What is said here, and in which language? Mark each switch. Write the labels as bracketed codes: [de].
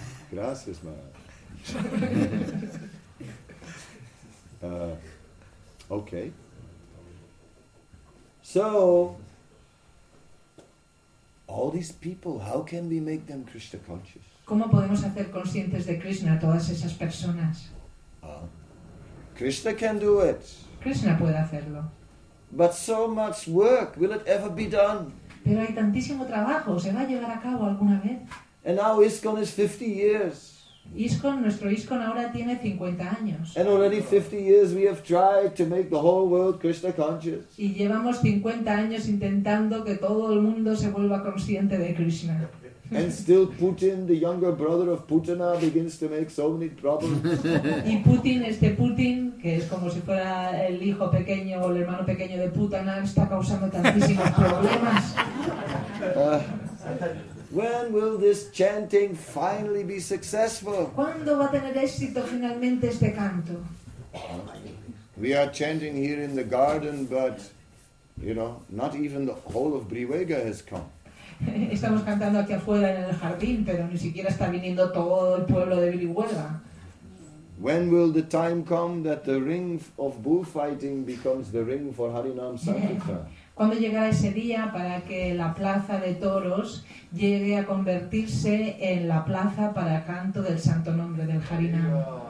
[es] Gracias, ma. [en] Okay. So, all these people, how can we make them Krishna conscious? [es] ¿Cómo podemos hacer conscientes de Krishna a todas esas personas? [en] Krishna can do it. [es] Krishna puede hacerlo. [en] But so much work, will it ever be done? [es] Pero hay tantísimo trabajo, ¿se va a llevar a cabo alguna vez? [en] And now ISKCON is 50 years. [es] ISKCON, nuestro ISKCON ahora tiene 50 años. [en] And already 50 years we have tried to make the whole world Krishna conscious. [es] Y llevamos 50 años intentando que todo el mundo se vuelva consciente de Krishna. [en] And still Putin, the younger brother of Putana, begins to make so many problems. [es] Y Putin, este Putin, que es como si fuera el hijo pequeño o el hermano pequeño de Putana, está causando tantísimos problemas. [en] When will this chanting finally be successful? [es] ¿Cuándo va a tener éxito finalmente este canto? [en] We are chanting here in the garden, but, you know, not even the whole of Brihuega has come. [es] Estamos cantando aquí afuera en el jardín, pero ni siquiera está viniendo todo el pueblo de Brihuega. [en] When will the time come that the ring of bullfighting becomes the ring for Harinam Sankirtan? [es] ¿Cuándo llegará ese día para que la plaza de toros llegue a convertirse en la plaza para el canto del santo nombre del Harinam?